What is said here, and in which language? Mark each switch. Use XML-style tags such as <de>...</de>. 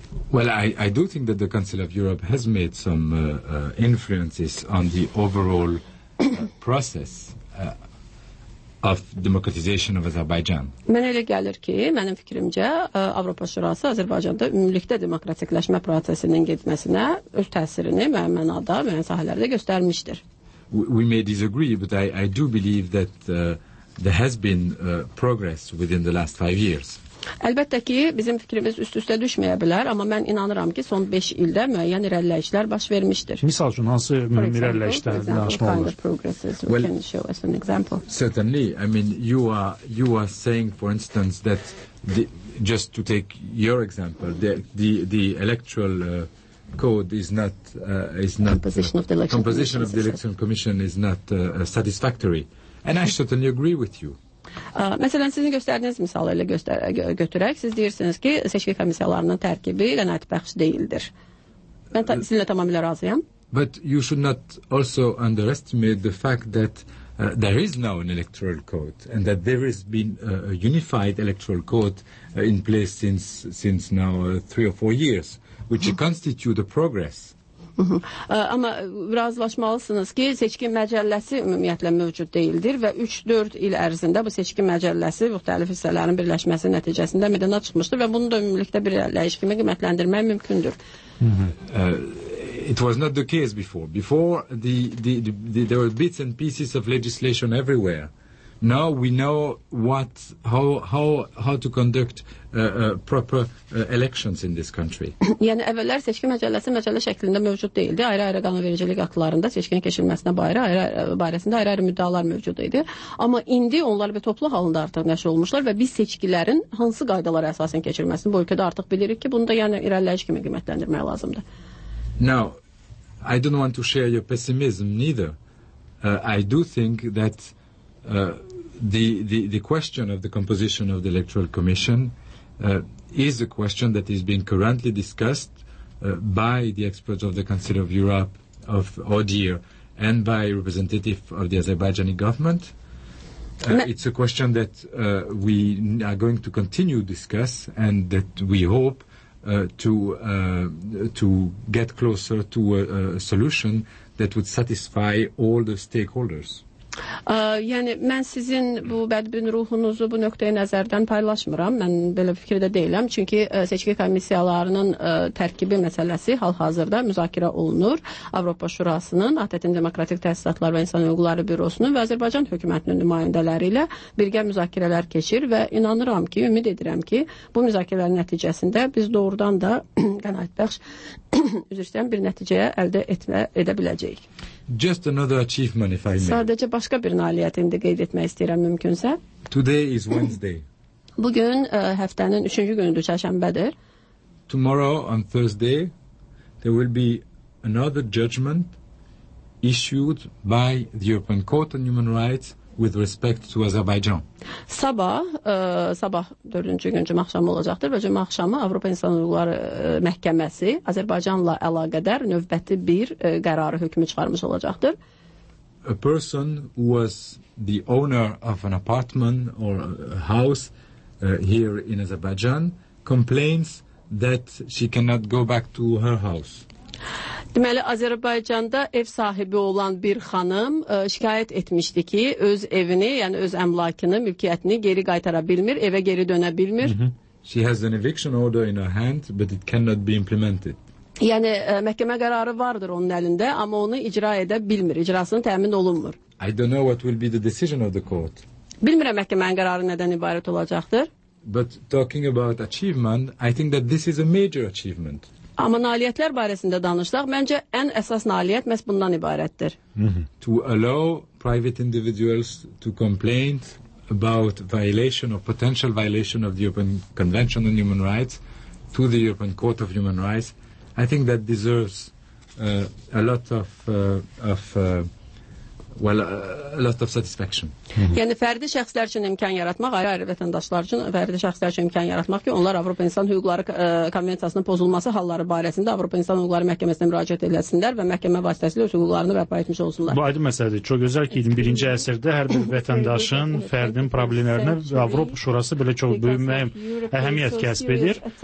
<en>Well, I do think that the Council of Europe has made some influences on the overall process of democratization of Azerbaijan.</en> <az>Mənə elə gəlir ki, mənim fikrimcə Avropa Şurası Azərbaycanda ümumilikdə demokratikləşmə prosesinin getməsinə öz təsirini müəyyən mənada, müəyyən sahələrdə göstərmişdir.</az> <en>We may disagree, but I do believe that there has been progress within the last 5 years.</en> <az>Əlbəttə ki, bizim fikrimiz üst-üstə düşməyə bilər, amma mən inanıram ki, son 5 ildə müəyyən irəliləyişlər baş vermişdir. Misal üçün, hansı mühüm irəliləyişlər danışmaq olur?</az> <en>Well, can you show us an example? Certainly. I mean, you are saying, for instance, that the, just to take your example, the electoral code is not... Composition of the election commission is not satisfactory. And I certainly agree with you.</en> <az>Məsələn, sizin göstərdiyiniz misalı ilə götürək, siz deyirsiniz ki, seçki komissiyalarının tərkibi qənaət bəxş deyildir. Mən sizinlə tamamilə razıyam.</az> <en>But you should not also underestimate the fact that there is now an electoral code and that there has been a unified electoral code in place since now 3 or 4 years, which constitute a progress.</en> <az>Amma razılaşmalısınız ki, seçki məcəlləsi ümumiyyətlə mövcud deyildir və 3-4 il ərzində bu seçki məcəlləsi müxtəlif hissələrin birləşməsi nəticəsində meydana çıxmışdır və bunu da ümumilikdə bir irəliləyiş kimi qiymətləndirmək mümkündür.</az> <en>It was not the case before. Before the there were bits and pieces of legislation everywhere. Now we know what how to conduct proper elections in this country.</en> <az>Yəni əvvəllər seçki məcəlləsi məcəllə şəklində mövcud deyildi. Ayrı-ayrı qanunvericilik aktlarında seçkinin keçirilməsinə ayrı-ayrı müddəalar mövcud idi. Amma indi onlar bir toplu halında artıq nəşr olmuşlar və biz seçkilərin hansı qaydalara əsasən keçirilməsini bu ölkədə artıq bilirik ki, bunu da yəni irəliləyiş kimi qiymətləndirmək lazımdır.</az> <en>Now, I don't want to share your pessimism neither. I do think that the question of the composition of the Electoral Commission is a question that is being currently discussed by the experts of the Council of Europe of ODIHR and by representative of the Azerbaijani government. It's a question that we are going to continue to discuss and that we hope to get closer to a solution that would satisfy all the stakeholders.</en> <az>Yəni, mən sizin bu bədbin ruhunuzu bu nöqtəyə nəzərdən paylaşmıram. Mən belə fikirdə deyiləm. Çünki seçki komissiyalarının tərkibi məsələsi hal-hazırda müzakirə olunur. Avropa Şurasının, ATƏT-in Demokratik Təsisatlar və İnsan Hüquqları Bürosunun və Azərbaycan hökumətinin nümayəndələri ilə birgə müzakirələr keçir və inanıram ki, ümid edirəm ki, bu müzakirələrin nəticəsində biz doğrudan da qənaətbəxş üzr istəyən bir nəticəyə əldə edə biləcəyik.</az> <en>Just another achievement, if I may.</en> <az>Sadəcə başqa bir nailiyyət indi qeyd etmək istəyirəm, mümkünsə.</az> <en>Today is Wednesday.</en> <az>Bugün həftənin üçüncü günüdür, çərşənbədir.</az> <en>Tomorrow, on Thursday, there will be another judgment issued by the European Court on Human Rights with respect to Azerbaijan.</en> <az>Sabah, sabah 4-cü gün cümə axşamı olacaqdır və cümə axşamı Avropa İnsan Hüquqları Məhkəməsi Azərbaycanla əlaqədar növbəti bir qərarı hökmü çıxarmış olacaqdır.</az> <en>A person who was the owner of an apartment or a house here in Azerbaijan complains that she cannot go back to her house.</en> <az>Deməli, Azərbaycanda ev sahibi olan bir xanım şikayət etmişdi ki, öz evini, yəni öz əmlakını, mülkiyyətini geri qaytara bilmir, evə geri dönə bilmir.</az> <en>She has an eviction order in her hand, but it cannot be implemented.</en> <az>Yəni, məhkəmə qərarı vardır onun əlində, amma onu icra edə bilmir, icrasını təmin olunmur.</az> <en>I don't know what will be the decision of the court.</en> <az>Bilmirəm məhkəmənin qərarı nədən ibarət olacaqdır.</az> <en>But talking about achievement, I think that this is a major achievement.</en> <az>Amma nailiyyətlər barəsində danışsaq, məncə ən əsas nailiyyət məhz bundan ibarətdir.</az> <en>To allow private individuals to complain about violation or potential violation of the European Convention on Human Rights to the European Court of Human Rights, I think that deserves a lot of satisfaction.</en> <az>Yəni fərdi şəxslər üçün imkan yaratmaq, ayrı-ayrı vətəndaşlar üçün fərdi şəxslər üçün imkan yaratmaq ki, onlar Avropa İnsan Hüquqları Konvensiyasının pozulması halları barəsində Avropa İnsan Hüquqları Məhkəməsinə müraciət etsinlər və məhkəmə vasitəsilə öz hüquqlarını bərpa etmiş olsunlar. Bu aydın məsələdir. Çox gözəl ki, 21-ci əsrdə hər bir vətəndaşın fərdin problemlərinə Avropa Şurası belə çox böyük əhəmiyyət kəsb edir.</az>